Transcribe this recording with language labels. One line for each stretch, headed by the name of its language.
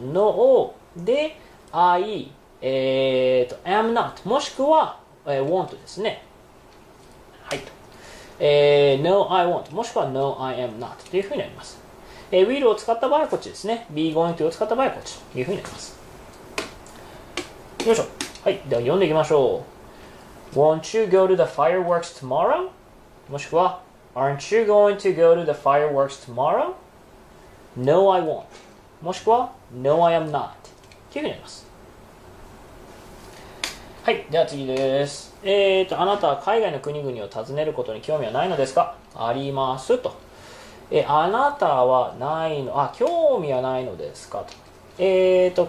Japanese: No で、 I、am not もしくは、want ですね。はいと。 No, I won't もしくは No, I am not というふうになります。Will を使った場合はこっちですね。 Be going to を使った場合はこっちというふうになります。よいしょ。はい。では、読んでいきましょう。
English: Won't you go to the fireworks tomorrow? もしくは、 Aren't you going to go to the fireworks tomorrow? No, I won't. もしくは、 No, I am not.
Japanese: っていうふうになります。はい、では次です。あなたは海外の国々を訪ねることに興味はないのですか？ありますと。あなたはないの、あ、興味はないのですかと。